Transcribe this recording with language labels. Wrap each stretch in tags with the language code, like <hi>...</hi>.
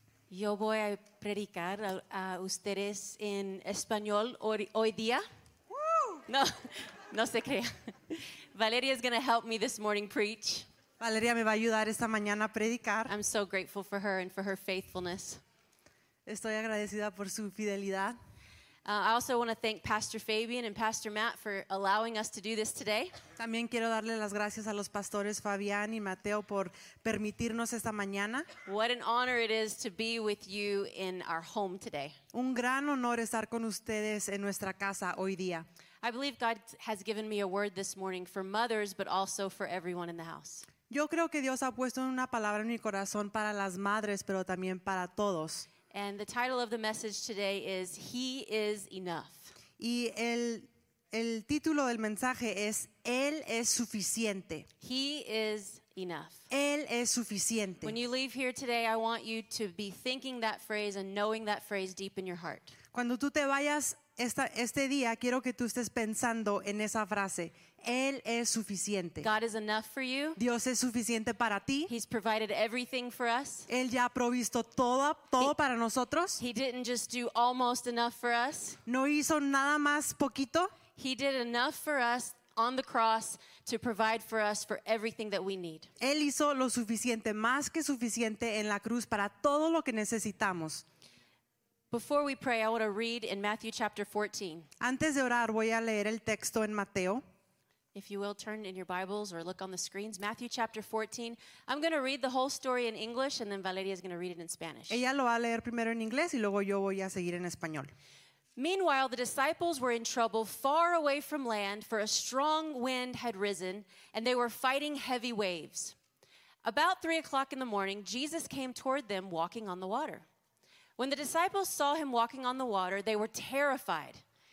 <es>Yo voy a predicar a ustedes en español hoy día. Woo! No, no se crea.</es> <en>Valeria is going to help me this morning preach.</en> <es>Valeria me va a ayudar esta mañana a predicar.</es> <en>I'm so grateful for her and for her faithfulness.</en> <es>Estoy agradecida por su fidelidad.</es> <en>I also want to thank Pastor Fabian and Pastor Matt for allowing us to do this today.</en> <es>También quiero darle las gracias a los pastores Fabián y Mateo por permitirnos esta mañana.</es> <en>What an honor it is to be with you in our home today.</en> <es>Un gran honor estar con ustedes en nuestra casa hoy día.</es> <en>I believe God has given me a word this morning for mothers, but also for everyone in the house.</en> <es>Yo creo que Dios ha puesto una palabra en mi corazón para las madres, pero también para todos.</es> <en>And the title of the message today is He is Enough.</en> <es>Y el título del mensaje es Él es suficiente.</es> <en>He is enough.</en> <es>Él es suficiente.</es> <en>When you leave here today, I want you to be thinking that phrase and knowing that phrase deep in your heart.</en> <es>Cuando tú te vayas este día, quiero que tú estés pensando en esa frase. Él es suficiente.</es> <en>God is enough for you.</en> <es>Dios es suficiente para ti.</es> <en>He's provided everything for us.</en> <es>Él ya ha provisto todo para nosotros.</es> <en>He didn't just do almost enough for us.</en> <es>No hizo nada más poquito.</es> <en>He did enough for us on the cross to provide for us for everything that we need.</en> <es>Él hizo lo suficiente, más que suficiente en la cruz para todo lo que necesitamos.</es> <en>Before we pray, I want to read in Matthew chapter 14.</en> <es>Antes de orar, voy a leer el texto en Mateo.</es> <en>If you will, turn in your Bibles or look on the screens. Matthew chapter 14. I'm going to read the whole story in English, and then Valeria is going to read it in Spanish.</en> <es>Ella lo va a leer primero en inglés, y luego yo voy a seguir en español.</es> <en>Meanwhile, the disciples were in trouble far away from land, for a strong wind had risen, and they were fighting heavy waves. About 3:00 in the morning, Jesus came toward them walking on the water. When the disciples saw him walking on the water, they were terrified.</en>